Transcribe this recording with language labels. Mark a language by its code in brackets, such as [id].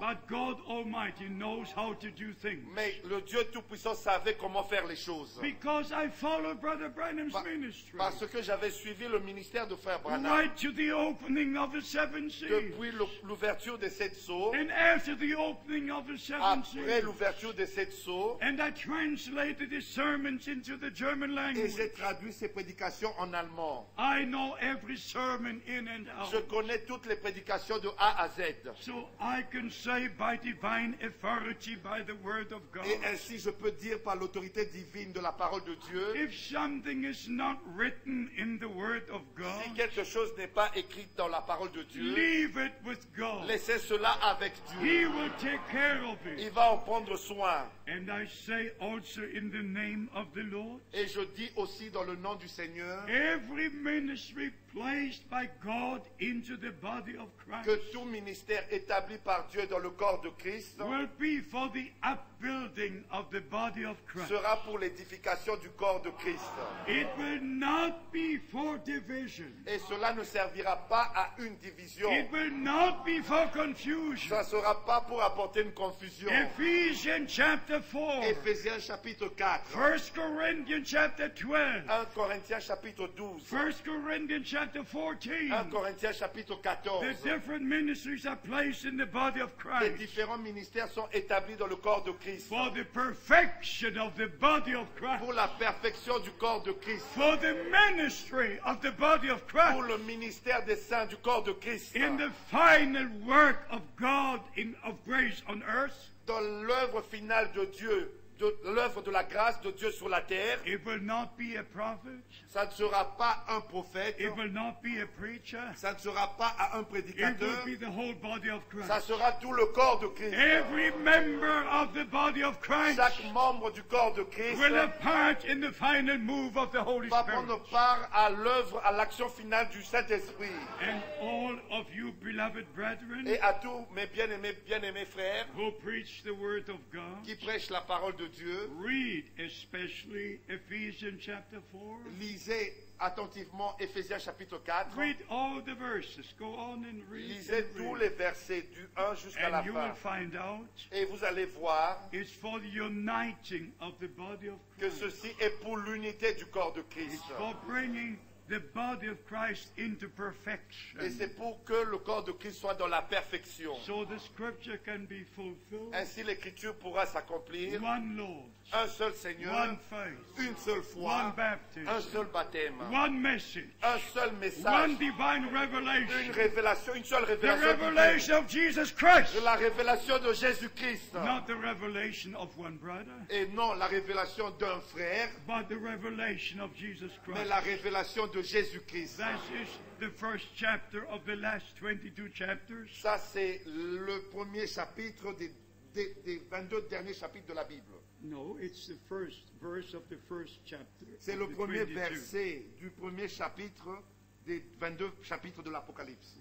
[en] but God Almighty knows how to do things. [fr] Mais le Dieu Tout-Puissant savait comment faire les choses. [en] Because I followed Brother Branham's ministry. [fr] Parce que j'avais suivi le ministère de frère Branham, [en] right to the opening of the seven seals. [fr] Depuis l'ouverture des sept sceaux, [en] and after the opening of the seven seals, [fr] après l'ouverture des sept sceaux, [en] and I translated his sermons into the German language. [fr] Et j'ai traduit ses prédications en allemand. [en] I know every sermon in and out. [fr] Je connais toutes les prédications de A à Z. [en] So I can say by divine authority by the word of God. [fr] Et ainsi je peux dire par l'autorité divine de la parole de Dieu. [en] If something is not written in the word of God, [fr] si quelque chose n'est pas écrit dans la parole de Dieu, [en] leave it with God. [fr] Laissez cela avec Dieu. [en] He will take care of it. [fr] Il va en prendre soin. [en] And I say also in the name of the Lord, [fr] et je dis aussi dans le nom du Seigneur, [en] every ministry placed by God into the body of Christ, [fr] que tout ministère établi par Dieu dans le corps de Christ, [en] will be for the upbuilding of the body of Christ, [fr] sera pour l'édification du corps de Christ. [en] It will not be for division, [fr] et cela ne servira pas à une division. [en] It will not be for confusion, [fr] ça sera pas pour apporter une confusion. [en] Ephesians chapter 4, [fr] Ephésiens chapitre 4, [en] 1 Corinthians chapter 12, [fr] 1 Corinthiens chapitre 12, [en] 1 Corinthians chapter 14. [fr] 1 Corinthiens chapitre 14. [en] The different ministries are placed in the body of Christ. [fr] Les différents ministères sont établis dans le corps de Christ. [en] For the perfection of the body of Christ. [fr] Pour la perfection du corps de Christ. [en] For the ministry of the body of Christ. [fr] Pour le ministère des saints du corps de Christ. [en] In the final work of God in of grace on earth. [fr] Dans l'œuvre finale de Dieu. De l'œuvre de la grâce de Dieu sur la terre. [en] It will not be a prophet. [fr] Ça ne sera pas un prophète. [en] It will not be a preacher. [fr] Ça ne sera pas un prédicateur. [en] It will be the whole body of Christ. [fr] Ça sera tout le corps de Christ. [en] Every member of the body of Christ. [fr] Chaque membre du corps de Christ. [en] Will have part in the final move of the Holy Spirit. [fr] Va prendre part à l'œuvre, à l'action finale du Saint-Esprit. [en] And all of you beloved brethren. [fr] Et à tous mes bien-aimés frères. [en] Who preach the word of God. [fr] Qui prêchent la parole de Dieu. [en] Read especially Ephesians chapter 4. [fr] Lisez attentivement Ephésiens chapitre 4. [en] Read all the verses. Go on and read. [fr] Lisez tous les versets du 1 jusqu'à la fin. [en] And you will find out. [fr] Et vous allez voir. [en] It's for the uniting of the body of Christ. [fr] Que ceci est pour l'unité du corps de Christ. [en] It's for bringing the body of Christ into perfection. [fr] Et c'est pour que le corps de Christ soit dans la perfection. [en] So the scripture can be fulfilled. [fr] Ainsi l'écriture pourra s'accomplir. [en] One Lord. [fr] Un seul Seigneur. [en] One faith. [fr] Une seule foi. [en] One baptism. [fr] Un seul baptême. [en] One message. [fr] Un seul message. [en] One divine revelation. [fr] Une révélation, une seule révélation. [en] The revelation of Jesus Christ. [fr] La révélation de Jésus Christ. [en] Not the revelation of one brother. [fr] Et non la révélation d'un frère. [en] But the revelation of Jesus Christ. [fr] Mais la révélation de Jésus-Christ. [en] That is the first chapter of the last 22 chapters. [fr] Ça c'est le premier chapitre des 22 derniers chapitres de la Bible. [en] No, it's the first verse of the first chapter. [fr] C'est le premier verset du premier chapitre des 22 chapitres de l'Apocalypse.